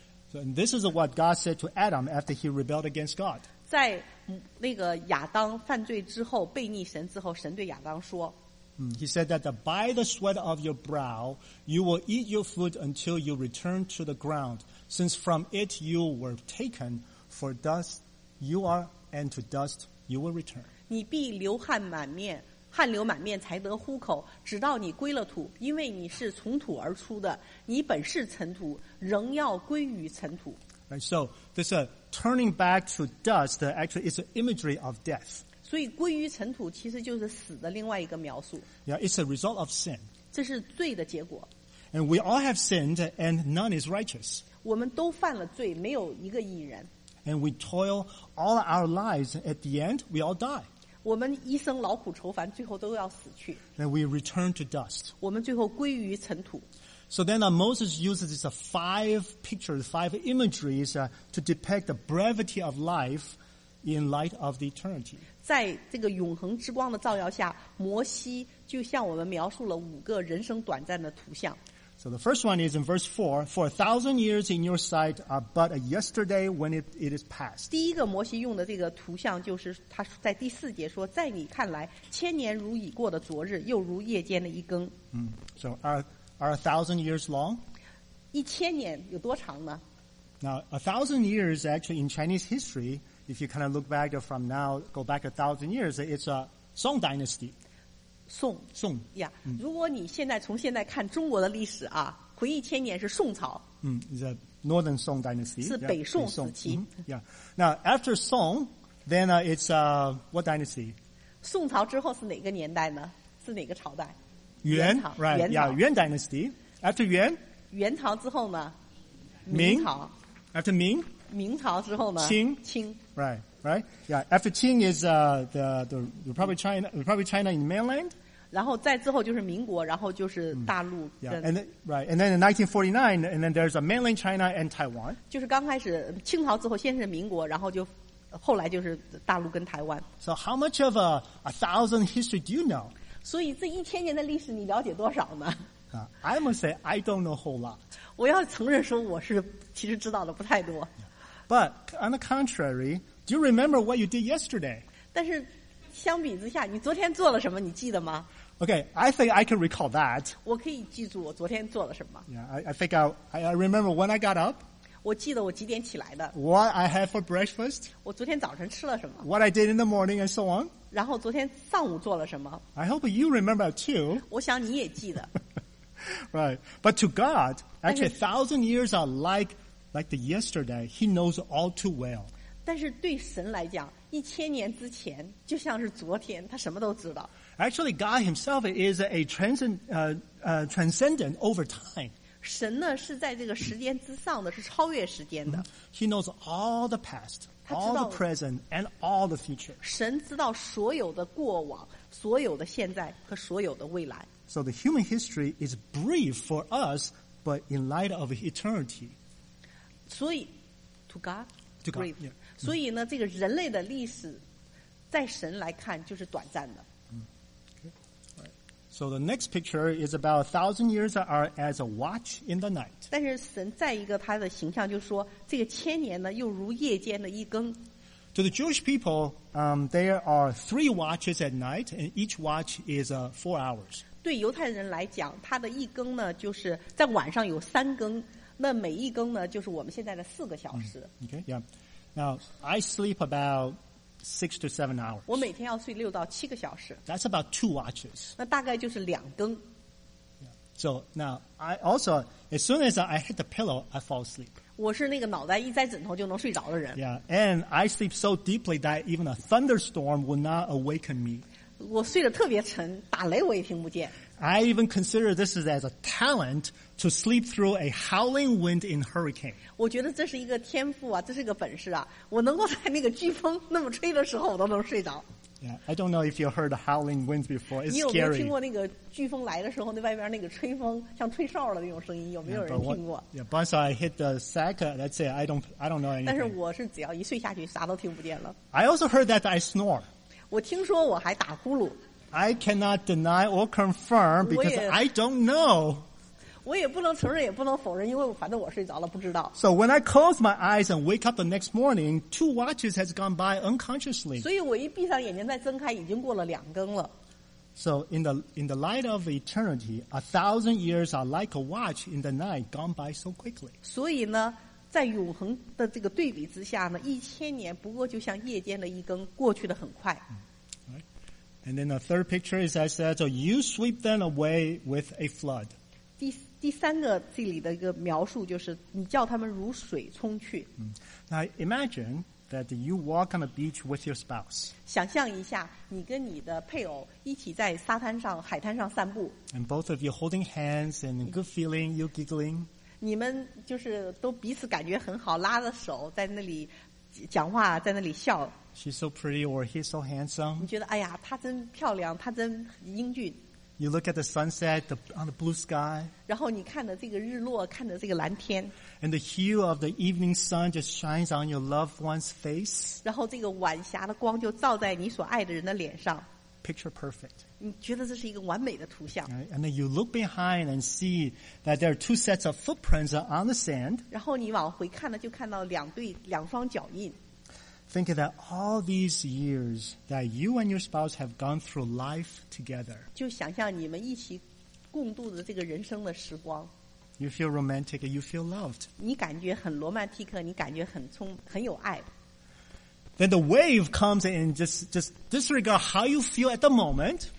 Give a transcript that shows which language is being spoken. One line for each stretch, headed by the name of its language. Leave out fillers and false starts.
English: So and this is what God said to Adam after he rebelled against God.
Chinese: 在那个亚当犯罪之后，悖逆神之后，神对亚当说。
English: He said that by the sweat of your brow, you will eat your food until you return to the ground, since from it you were taken, for dust you are, and to dust you will return.
Chinese: 你必流汗满面，汗流满面才得呼口，直到你归了土，因为你是从土而出的，你本是尘土，仍要归于尘土。
English: Right? So this turning back to dust actually is an imagery of death.
Chinese: 所以归于尘土其实就是死的另外一个描述。
English: Yeah, it's a result of sin.
Chinese: 这是罪的结果。
English: And we all have sinned, and none is righteous.
Chinese: 我们都犯了罪，没有一个义人。
English: And we toil all our lives. At the end, we all die.
Chinese: 我们一生劳苦愁烦，最后都要死去。
English: Then we return to dust.
Chinese: 我们最后归于尘土。
English: So then Moses uses these five imageries to depict the brevity of life in light of the eternity.
Chinese: 在这个永恒之光的照耀下，摩西就向我们描述了五个人生短暂的图像。
English: So the first one is in verse 4, for 1,000 years in your sight are but a yesterday when it is past.
Chinese: 第一个摩西用的这个图像就是他在第四节说，在你看来，千年如已过的昨日，又如夜间的一更。
English: So are 1,000 years long?
Chinese: 一千年有多长呢？
English: Now 1,000 years actually in Chinese history, if you kind of look back from now, go back 1,000 years, it's a Song dynasty.
Chinese: 宋呀、
English: yeah,
Chinese: 如果你现在从现在看中国的历史啊，回忆千年是宋朝，是
English: Northern Song Dynasty，
Chinese: 是北宋时期。呀、yeah.
English: After Song then it's what dynasty？
Chinese: 宋朝之后是哪个年代呢？是哪个朝代？元朝。
English: Right, 元 dynasty。 After
Chinese: 元朝之后呢？明朝。
English: After 明？
Chinese: 明朝之后呢？清。
English: Right, after Qing is the Republic China in the mainland.
Chinese: 然后再之后就是民国，然后就是大陆。
English: And then in 1949, and then there's a mainland China and Taiwan.
Chinese: 就是刚开始清朝之后，先是民国，然后就后来就是大陆跟台湾。
English: So how much of a thousand history do you know?
Chinese: 所以这一千年的历史你了解多少呢？
English: I must say I don't know a whole lot.
Chinese: 我要承认说我是其实知道的不太多。
English: But on the contrary, do you remember what you did yesterday?
Chinese: 但是相比之下，你昨天做了什么？你记得吗？
English: Okay, I think I can recall that.
Chinese: 我可以记住我昨天做了什么。
English: Yeah, I think I remember when I got up.
Chinese: 我记得我几点起来的。
English: What I had for breakfast.
Chinese: 我昨天早晨吃了什么。
English: What I did in the morning and so on.
Chinese: 然后昨天上午做了什么。
English: I hope you remember too.
Chinese: 我想你也记得。
English: Right, but to God, actually 1,000 years are like the yesterday, he knows all too well.
Chinese: 但是对神来讲，一千年之前就像是昨天，他什么都知道。
English: Actually, God himself is a transcendent over time.
Chinese: 神呢，是在这个时间之上的，是超越时间的。
English: He knows all the past, all the present, and all the future.
Chinese: 神知道所有的过往，所有的现在和所有的未来。
English: So the human history is brief for us, but in light of eternity.
Chinese: 所以
English: to God, to God、yeah.
Chinese: 所以呢这个人类的历史在神来看就是短暂的、
English: So the next picture is about 1,000 years are as a watch in the night.
Chinese: 但是神再一个他的形象就说这个千年呢又如夜间的一更。
English: To the Jewish people, there are 3 watches at night and each watch is 4 hours.
Chinese: 对犹太人来讲他的一更呢就是在晚上有三更。那每一更呢，就是我们现在的4个小时。
English: Okay, yeah. Now I sleep about 6 to 7 hours.
Chinese: 我每天要睡6到7个小时。
English: That's about 2 watches.
Chinese: 那大概就是两更。
English: So now I also as soon as I hit the pillow, I fall asleep.
Chinese: 我是那个脑袋一栽枕头就能睡着的人。
English: Yeah, and I sleep so deeply that even a thunderstorm will not awaken me.
Chinese: 我睡得特别沉，打雷我也听不见。
English: I even consider this as a talent to sleep through a howling wind in hurricane.
Chinese: 我觉得这是一个天赋啊，这是一个本事啊。我能够在那个飓风那么吹的时候，我都能睡着。
English: Yeah, I don't know if you heard howling winds before. It's scary.
Chinese: 你有没有听过那个飓风来的时候，那外边那个吹风像吹哨的那种声音？有没有人听过
English: Yeah, once I hit the sack, that's it. I don't know anything.
Chinese: 但是我是只要一睡下去，啥都听不见了。
English: I also heard that I snore.
Chinese: 我听说我还打呼噜。
English: I cannot deny or confirm because I don't know.
Chinese: 我也不能承认，也不能否认，因为反正我睡着了，不知道。
English: So when I close my eyes and wake up the next morning, 2 watches has gone by unconsciously.
Chinese: 所以我一闭上眼睛再睁开，已经过了两更了。
English: So in the light of eternity, 1,000 years are like a watch in the night gone by so quickly.
Chinese: 所以呢，在永恒的这个对比之下呢，一千年不过就像夜间的一更，过去的很快。
English: And then the third picture is, as I said, so you sweep them away with a flood.
Chinese: 第第三个这里的一个描述就是你叫他们如水冲去。
English: Now imagine that you walk on the beach with your spouse.
Chinese: 想象一下你跟你的配偶一起在沙滩上海滩上散步。
English: And both of you holding hands and good feeling, you giggling.
Chinese: 你们就是都彼此感觉很好，拉着手在那里讲话，在那里笑。
English: She's so pretty or he's so handsome.
Chinese: 你觉得哎呀，他真漂亮，他真英俊。
English: You look at the sunset, the, on the blue sky.
Chinese: 然后你看着这个日落，看着这个蓝天。
English: And the hue of the evening sun just shines on your loved one's face.
Chinese: 然后这个晚霞的光就照在你所爱的人的脸上。
English: Picture perfect.
Chinese: 你觉得这是一个完美的图像。
English: Right? And then you look behind and see that there are two sets of footprints on the sand.
Chinese: 然后你往回看了，就看到两对两双脚印。
English: Think of that all these years that you and your spouse have gone through life together.
Chinese: 就想象你们一起共度的这个人生的时光。
English: You feel romantic, you feel loved.
Chinese: 你感觉很罗曼蒂克，你感觉很有爱。
English: Then the wave comes in and just disregard how you feel at the moment.